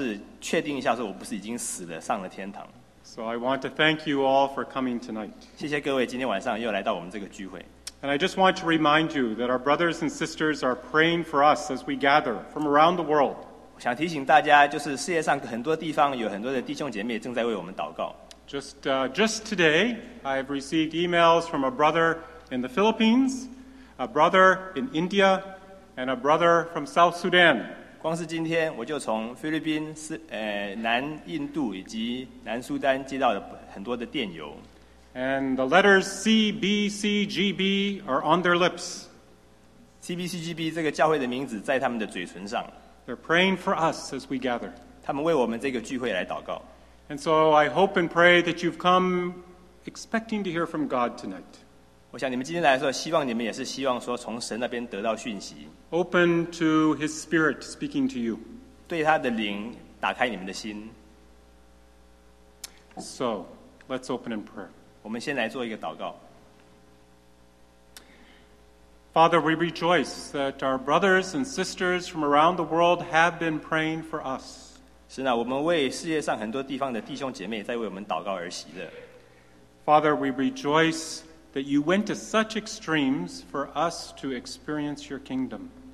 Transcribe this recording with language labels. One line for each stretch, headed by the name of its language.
Chinese: 从吃饺子那么好吃，以及这一个这么好的敬拜上，我必须要老是确定一下，说我不是已经死了，上了天堂。
English: So I want to thank you all for coming tonight.
Chinese: 谢谢各位今天晚上又来到我们这个聚会。
English: And I just want to remind you that our brothers and sisters are praying for us as we gather from around the world.
Chinese: 想提醒大家，就是世界上很多地方有很多的弟兄姐妹正在为我们祷告。
English: Just today, I've received emails from a brother in the Philippines, a brother in India, and a brother from South Sudan.
Chinese: 光是今天我就从菲律宾、南印度以及南苏丹接到了很多的电邮。
English: And the letters CBCGB are on their lips.
Chinese: CBCGB这个教会的名字在他们的嘴唇上。
English: They're praying for us as we gather.
Chinese: 他们为我们这个聚会来祷告。
English: And so I hope and pray that you've come expecting to hear from God tonight.
Chinese: 我想你们今天来的时候，希望你们也是希望说从神那边得到讯息。
English: Open to his spirit speaking to you.
Chinese: 对他的灵打开你们的心。So,
English: let's open in prayer.
Chinese: 我们先来做一个祷告。Father,
English: we rejoice that our brothers and sisters from around the world have been praying for us.
Chinese: 是呢，我们为世界上很多地方的弟兄姐妹在为我们祷告而喜乐。Father,
English: we rejoice that you went to such extremes for us to experience your kingdom.